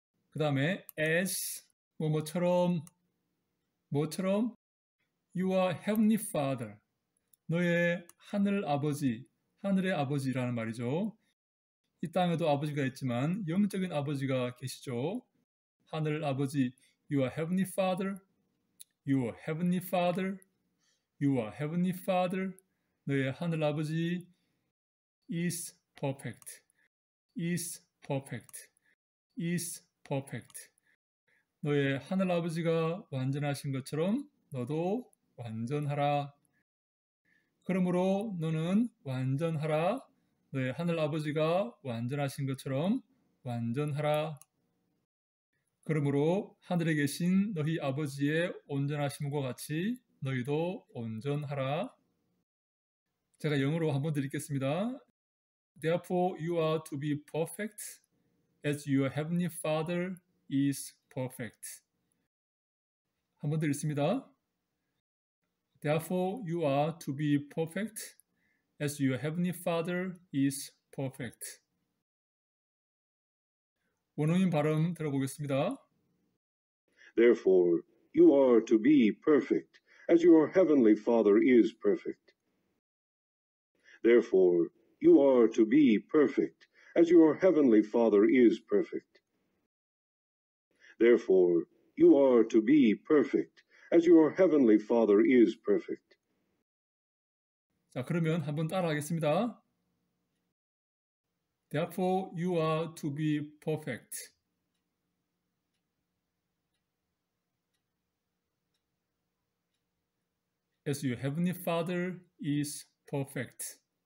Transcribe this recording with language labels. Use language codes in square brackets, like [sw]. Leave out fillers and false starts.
[ko] 그 다음에 [en] as, [ko] 뭐뭐처럼, 뭐처럼, [en] you are heavenly father. [ko] 너의 하늘 아버지, 하늘의 아버지라는 말이죠. 이 땅에도 아버지가 있지만 영적인 아버지가 계시죠. 하늘 아버지, [en] you are heavenly father, you are heavenly father, you are heavenly father. [ko] 너의 하늘 아버지 [en] is perfect, is perfect, is perfect. [ko] 너의 하늘 아버지가 완전하신 것처럼 너도 완전하라. 그러므로 너는 완전하라. 너의 하늘 아버지가 완전하신 것처럼 완전하라. 그러므로 하늘에 계신 너희 아버지의 온전하심과 같이 너희도 온전하라. 제가 영어로 한번 드리겠습니다. [en] Therefore you are to be perfect as your heavenly Father is perfect. [ko] 한번 드리겠습니다. [en] Therefore, you are to be perfect as your heavenly Father is perfect. [ko] 원어민 발음 들어보겠습니다. [en] Therefore, you are to be perfect, as your heavenly Father is perfect. Therefore, you are to be perfect, as your heavenly Father is perfect. Therefore, you are to be perfect, as your heavenly Father is perfect. [ko] 자, 그러면 한번 따라 하겠습니다. [en] Therefore, you are to be perfect. as your heavenly Father is perfect.